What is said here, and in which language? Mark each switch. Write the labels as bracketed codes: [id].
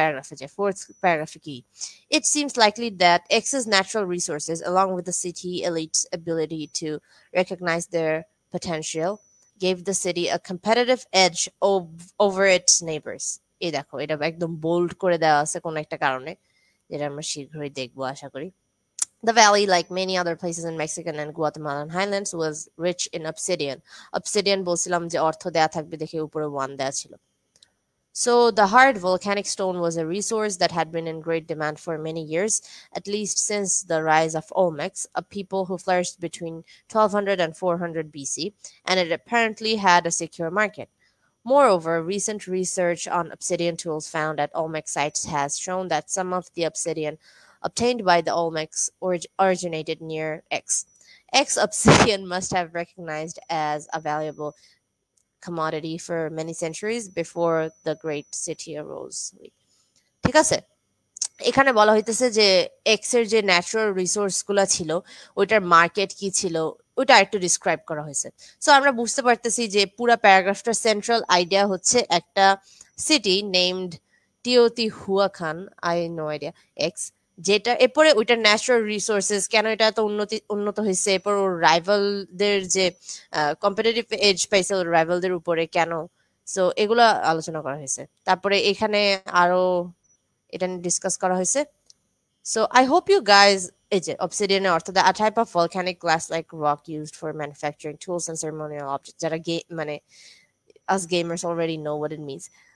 [en] It seems likely that X's natural resources, along with the city elite's ability to recognize their potential, gave the city a competitive edge over its neighbors. [bn] এই দেখো, এটা একদম bold করে দেওয়া আছে কোন একটা কারণে, যেটা আমরা শীঘ্রই দেখবো আশা করি। [en] The valley, like many other places in Mexican and Guatemalan highlands, was rich in obsidian. [bn] Obsidian বলছিলাম যে অর্থ দেয়া থাকবে, দেখে উপরে ওয়ান দেয়া ছিল। [en] So the hard volcanic stone was a resource that had been in great demand for many years, at least since the rise of Olmecs, a people who flourished between 1200 and 400 BC, and it apparently had a secure market. Moreover, recent research on obsidian tools found at Olmec sites has shown that some of the obsidian obtained by the Olmecs originated near X. X obsidian must have recognized as a valuable commodity for many centuries before the great city arose. [bn] ঠিক আছে, এখানে বলা হইতেছে যে X এর যে natural resource গুলা ছিল, ওইটার market কি ছিল, ওটা একটু ডিসক্রাইব করা হয়েছে। সো আমরা বুঝতে পারতেছি যে পুরো প্যারাগ্রাফটার সেন্ট্রাল আইডিয়া হচ্ছে একটা city named টিওতি হুয়াখান, [en] I no idea, [bn] x, যেটা এরপরে ওইটার ন্যাচারাল রিসোর্সেস কেন এটা এত উন্নতি উন্নত হয়েছে, এরপর ওর রাইভালদের যে কম্পিটিটিভ এজ পাইছে ওর রাইভালদের উপরে কেন, সো এগুলো আলোচনা করা হয়েছে। তারপরে এখানে আরো এটা নিয়ে ডিসকাস করা হয়েছে। [en] So I hope you guys, obsidian or a type of volcanic glass like rock used for manufacturing tools and ceremonial objects that are money us gamers already know what it means.